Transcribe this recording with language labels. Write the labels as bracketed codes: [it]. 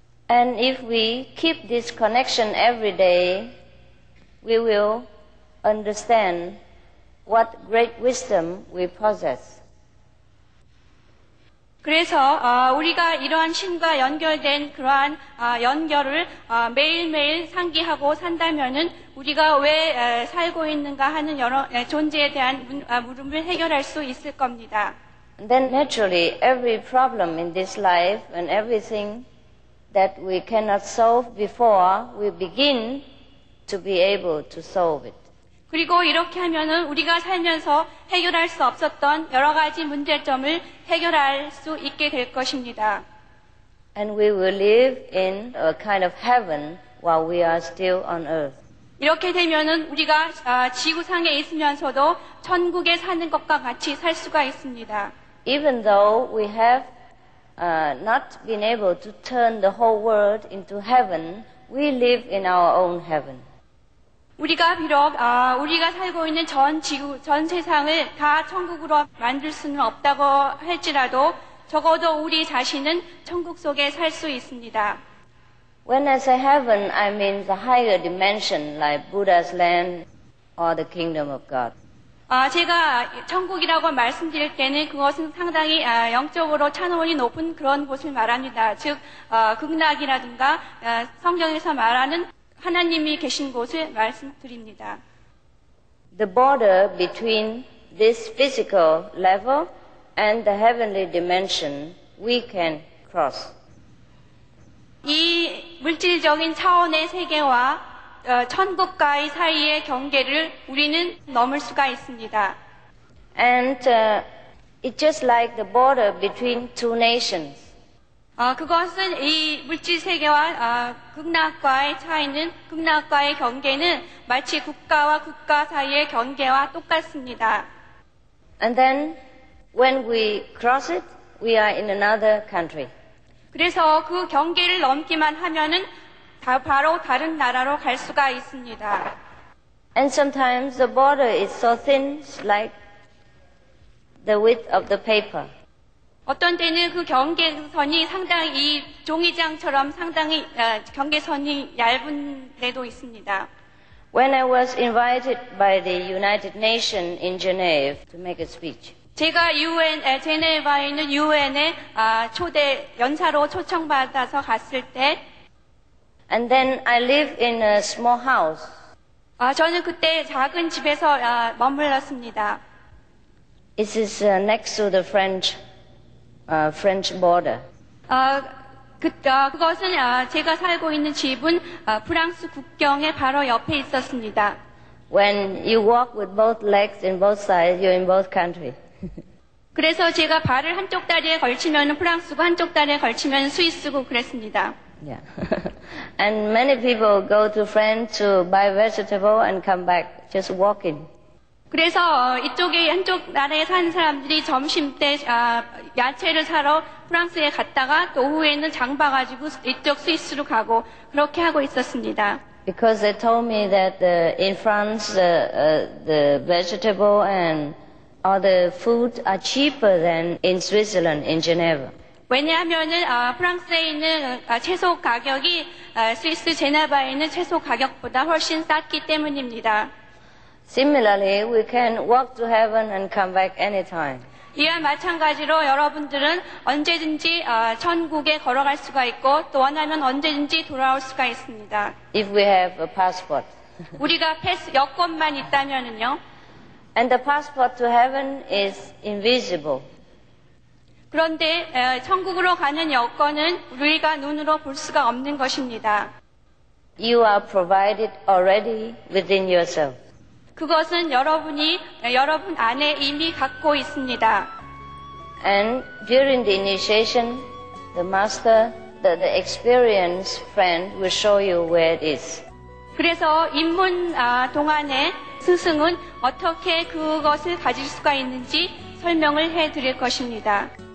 [en] And if we keep this connection every day, we will understand what great wisdom we possess. [ko] 그래서 우리가 이러한 신과 연결된 그러한 연결을 매일매일 상기하고 산다면은 우리가 왜 살고 있는가 하는 여러 존재에 대한 물음을 해결할 수 있을 겁니다. [en] Then naturally every problem in this life and everything that we cannot solve before we begin to be able to solve it. [ko] 그리고 이렇게 하면은 우리가 살면서 해결할 수 없었던 여러 가지 문제점을 해결할 수 있게 될 것입니다. [en] And we will live in a kind of heaven while we are still on earth. [ko] 이렇게 되면은 우리가 지구상에 있으면서도 천국에 사는 것과 같이 살 수가 있습니다. [en] Even though we have not been able to turn the whole world into heaven, we live in our own heaven. [ko] 우리가 비록 우리가 살고 있는 전 지구, 전 세상을 다 천국으로 만들 수는 없다고 할지라도 적어도 우리 자신은 천국 속에 살 수 있습니다. [en] When I say heaven, I mean the higher dimension like Buddha's land or the kingdom of God. [ko] 제가 천국이라고 말씀드릴 때는 그것은 상당히 영적으로 차원이 높은 그런 곳을 말합니다. 즉 극락이라든가 성경에서 말하는 하나님이 계신 곳을 말씀드립니다. [en] The border between this physical level and the heavenly dimension we can cross. [ko] 이 물질적인 차원의 세계와 천국과의 사이의 경계를 우리는 넘을 수가 있습니다. [en] And it's just like the border between two nations. [ko] 그것은 이 물질 세계와 극락과의 차이는 극락과의 경계는 마치 국가와 국가 사이의 경계와 똑같습니다. [en] And then when we cross it, we are in another country. [ko] 그래서 그 경계를 넘기만 하면은 바로 다른 나라로 갈 수가 있습니다. [en] And sometimes the border is so thin like the width of the paper. [ko] 어떤 때는 그 경계선이 상당히 이 종이장처럼 상당히 경계선이 얇은 때도 있습니다. [en] When I was invited by the United Nations in Geneva to make a speech. [ko] 제가 제네바에 있는 UN에 초대 연사로 초청받아서 갔을 때 [en] And then I live in a small house. [ko] 저는 그때 작은 집에서 머물렀습니다. [en] This is next to the French border. [ko] 그것은 제가 살고 있는 집은 프랑스 국경에 바로 옆에 있었습니다. [en] When you walk with both legs in both sides, you're in both countries. [ko] 그래서 제가 발을 한쪽 다리에 걸치면 프랑스고 한쪽 다리에 걸치면 스위스고 그랬습니다. [en] Yeah. And many people go to France to buy vegetable and come back just walking. [ko] 그래서 이쪽에 한쪽 나라에 사는 사람들이 점심 때 야채를 사러 프랑스에 갔다가 또 오후에는 장 봐가지고 이쪽 스위스로 가고 그렇게 하고 있었습니다. [en] Because they told me that in France the vegetable and other food are cheaper than in Switzerland in Geneva. [ko] 왜냐하면은 프랑스에 있는 채소 가격이 스위스 제네바에 있는 채소 가격보다 훨씬 쌌기 때문입니다. [en] Similarly, we can walk to heaven and come back anytime. [ko] 이와 마찬가지로 여러분들은 언제든지 천국에 걸어갈 수가 있고 또 원하면 언제든지 돌아올 수가 있습니다. [en] If we have a passport. [ko] 우리가 여권만 있다면은요. [en] And the passport to heaven is invisible. [ko] 그런데 천국으로 가는 여건은 우리가 눈으로 볼 수가 없는 것입니다. [en] You are provided already within yourself. [ko] 그것은 여러분이 여러분 안에 이미 갖고 있습니다. [en] And during the initiation, the master, the experienced friend will show you where it is. [ko] 그래서 입문 동안에 스승은 어떻게 그것을 가질 수가 있는지 설명을 해드릴 것입니다.